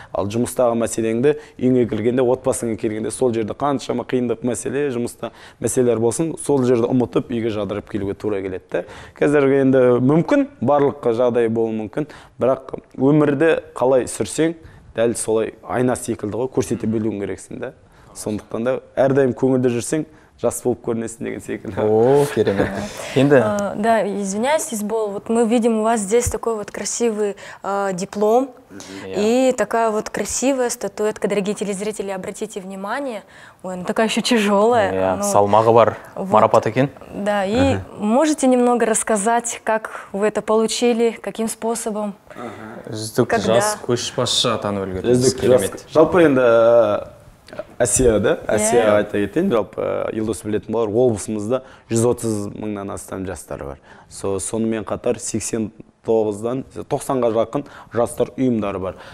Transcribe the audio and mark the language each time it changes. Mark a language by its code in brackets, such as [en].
[kk] Ал жұмыстағы мәселеңді үйіңе келгенде, отбасыңа келгенде сол жерде қаншама қиындық мәселе, жұмыста мәселелер болсын, сол жерді ұмытып үйге жадырып келуге тура келеді да. Қазіргі енді мүмкін, барлық жағдай болуы мүмкін, бірақ өмірді қалай сүрсең, дәл солай айна секілді ғой, көрсете білуің керексің да. Сондықтан да әрдайым көңілді жүрсең, жас болып көрінесің деген секілді. О, керемет. Енді [ru] да, извиняюсь, Избол, вот мы видим у вас здесь такой вот красивый диплом. И такая вот красивая статуэтка, дорогие телезрители, обратите внимание. Ой, она такая еще тяжелая. [kk] Салмағы бар. Марапат екен. [ru] Да, и можете немного рассказать, как вы это получили, каким способом? [kk] Үздік жас көшбасшы атану үлгерді. Үздік жас. Жалпы енді Әсия, да? Әсия айта кетейін. Жалпы елдос білетін болар, облысымызда 130 мыңнан астам жастар бар. Сонымен қатар 90-ға жақын жастар ұйымдары бар.